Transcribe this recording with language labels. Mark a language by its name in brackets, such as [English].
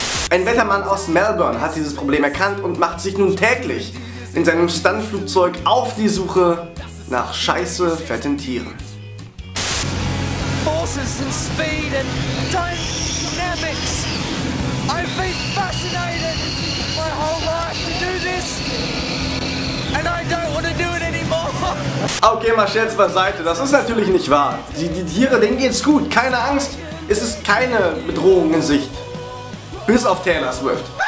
[German] Ein Wettermann aus Melbourne hat dieses Problem erkannt und macht sich nun täglich in seinem Stuntflugzeug auf die Suche nach scheiße fetten Tieren. [English] Forces and speed and dynamics. I've been fascinated my whole life to do this. And I don't want to do it anymore. [German] Okay, mal Scherz beiseite, das ist natürlich nicht wahr. Die Tiere, denen geht's gut, keine Angst, es ist keine Bedrohung in Sicht. Bis auf Taylor Swift.